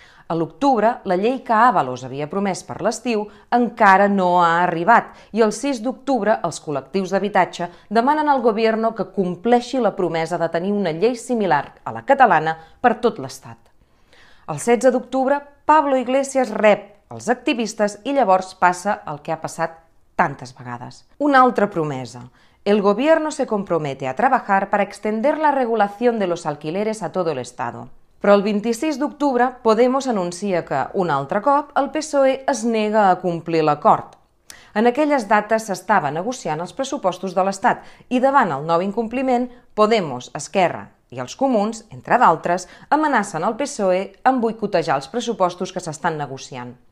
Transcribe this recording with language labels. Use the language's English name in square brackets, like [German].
[Catalan] A l'octubre, la llei que Ábalos havia promès per l'estiu encara no ha arribat i el 6 d'octubre els col·lectius d'habitatge demanen al govern que compleixi la promesa de tenir una llei similar a la catalana per tot l'Estat. El 16 d'octubre, Pablo Iglesias rep els activistes i llavors passa el que ha passat tantes vegades. Una altra promesa. [Spanish] El gobierno se compromete a trabajar para extender la regulación de los alquileres a todo el Estado. [Catalan] Però el 26 d'octubre, Podemos anuncia que, un altre cop, el PSOE es nega a complir l'acord. En aquelles dates s'estava negociant els pressupostos de l'Estat i davant el nou incompliment, Podemos, Esquerra i els Comuns, entre d'altres, amenacen el PSOE en boicotejar els pressupostos que s'estan negociant.